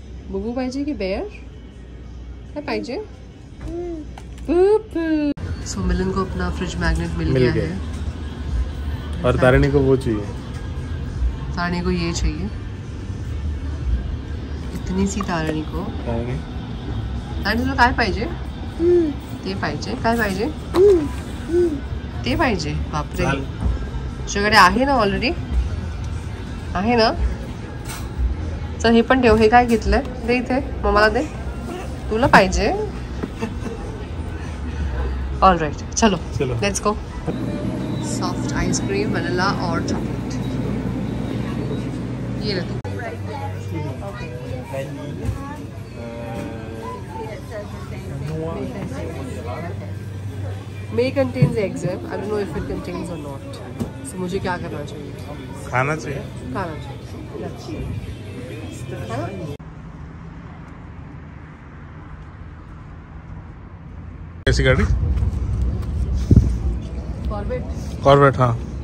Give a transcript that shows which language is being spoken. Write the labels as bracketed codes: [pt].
[mr] बुबू पाइजे कि बेयर है पाइजे? [hi] सो मिलन को अपना फ्रिज मैग्नेट मिल गया है और तारिणी को वो चाहिए, तारिणी को ये चाहिए, इतनी सी तारिणी को [mr] ते पाहिजे बापरे, तुझ्याकडे आहे ना ऑलरेडी आहे ना, चल हे पण ठेव, हे काय घेतलंय दे इथे मम्माला दे, तुला पाहिजे। [en] all right [hi] चलो [en] Let's go. Soft ice cream vanilla और chocolate ये रे May contains eggs. I don't know if it contains or not. So [hi] मुझे क्या करना चाहिए? खाना चाहिए? खाना चाहिए। कैसी गाड़ी? [en] Corvette. [hi] Corvette हाँ।